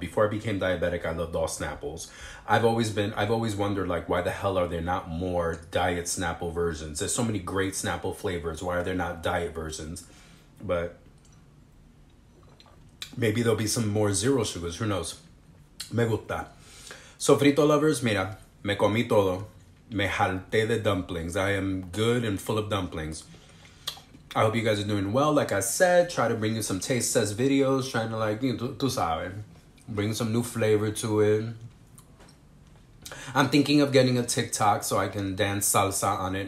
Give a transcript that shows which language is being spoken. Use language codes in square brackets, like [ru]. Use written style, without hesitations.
[en] Before I became diabetic, I loved all Snapples. I've always wondered, like, why the hell are there not more diet Snapple versions? There's so many great Snapple flavors. Why are there not diet versions? But maybe there'll be some more zero sugars. Who knows? [es] Me gusta. [en] Sofrito lovers, [es] mira, me comí todo. Me jalté de dumplings. [en] I am good and full of dumplings. I hope you guys are doing well. Like I said, try to bring you some taste test videos, trying to, like, you know, [es] tú sabes, [en] bring some new flavor to it. I'm thinking of getting a TikTok so I can dance salsa on it.